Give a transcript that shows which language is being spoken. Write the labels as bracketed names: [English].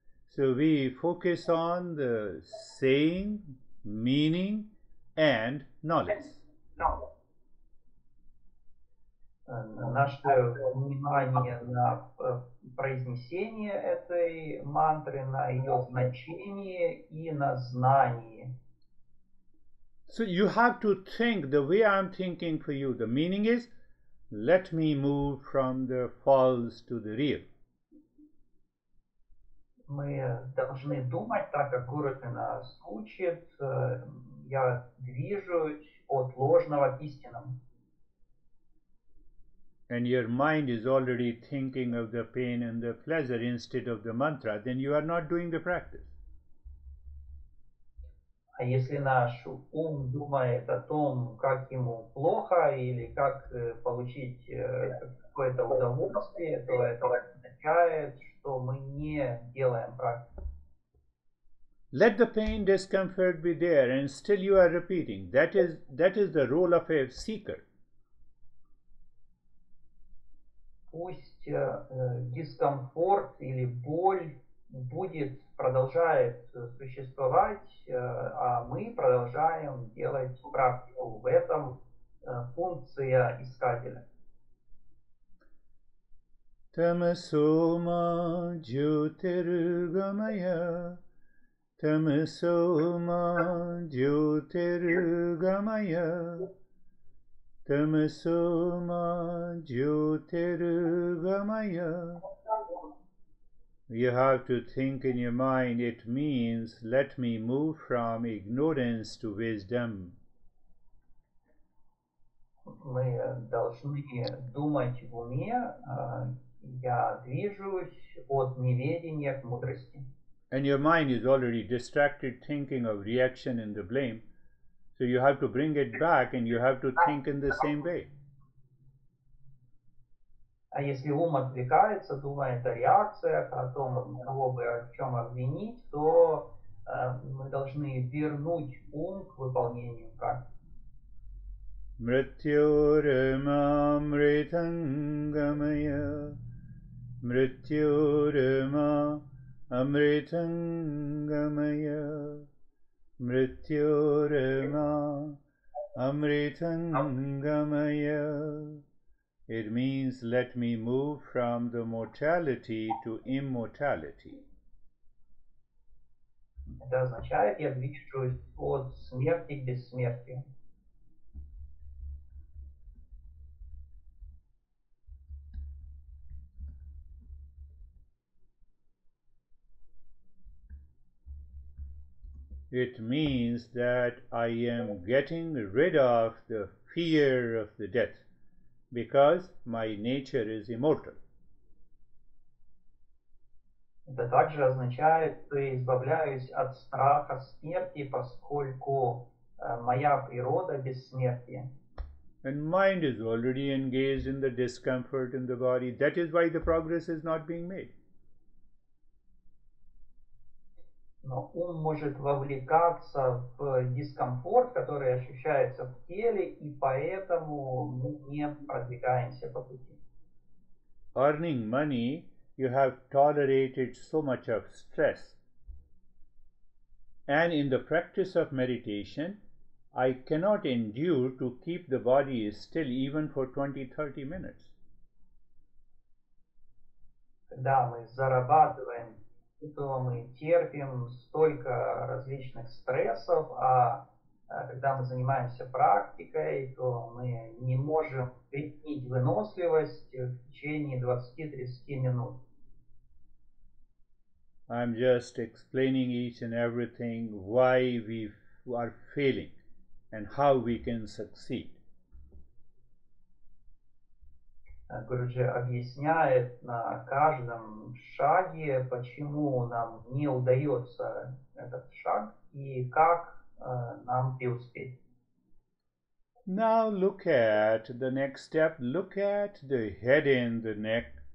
[English] So we focus on the saying, meaning, and knowledge. [Russian] Наше внимание на произнесение этой мантры, на ее значение и на знание. [English] So you have to think the way I'm thinking for you. The meaning is, let me move from the false to the real. [Russian] Мы должны думать так, как Гуру нас учит. Я движусь от ложного к истинному. [English] And your mind is already thinking of the pain and the pleasure instead of the mantra, then you are not doing the practice. [Russian] А если наш ум думает о том, как ему плохо или как получить какое-то удовольствие, то это означает, что мы не делаем практику. [English] Let the pain, discomfort be there, and still you are repeating. That is the role of a seeker. [Russian] Пусть дискомфорт или боль будет, продолжает существовать, а мы продолжаем делать практику. В этом функция искателя. [Sanskrit] Tamasoma jyotirgamaya. Tamasoma jyotirgamaya. Tamasoma jyotirgamaya. [English] You have to think in your mind, it means, let me move from ignorance to wisdom. [Russian] Мы должны думать в уме, я движусь от неведения к мудрости. [English] And your mind is already distracted thinking of reaction and the blame. So you have to bring it back and you have to think in the same way. [Russian] А если ум отвлекается, думает о реакциях, о том, кого бы о чем обвинить, то мы должны вернуть ум к выполнению практики. [Sanskrit] Mrityurma mritangamaya. Mrityurma amritangamaya. Mrityurma amritangamaya. [English] It means, let me move from the mortality to immortality. [Russian] Это означает, я движусь от смерти к бессмертию. [English] It means that I am getting rid of the fear of the death. Because my nature is immortal. [Russian] Это также означает, что я избавляюсь от страха смерти, поскольку моя природа бессмертия. [English] And mind is already engaged in the discomfort in the body. That is why the progress is not being made. [Russian] Но ум может вовлекаться в дискомфорт, который ощущается в теле, и поэтому мы не продвигаемся по пути. [English] Earning money, you have tolerated so much of stress. And in the practice of meditation, I cannot endure to keep the body still even for 20-30 minutes. [Russian] Когда мы зарабатываем, то мы терпим столько различных стрессов, а когда мы занимаемся практикой, то мы не можем применить выносливость в течение 20-30 минут. [English] I'm just explaining each and everything why we are failing and how we can succeed. [Russian] Гуруджи объясняет на каждом шаге, почему нам не удается этот шаг и как нам преуспеть. [English] Now look at the next step. Look at the head and the neck.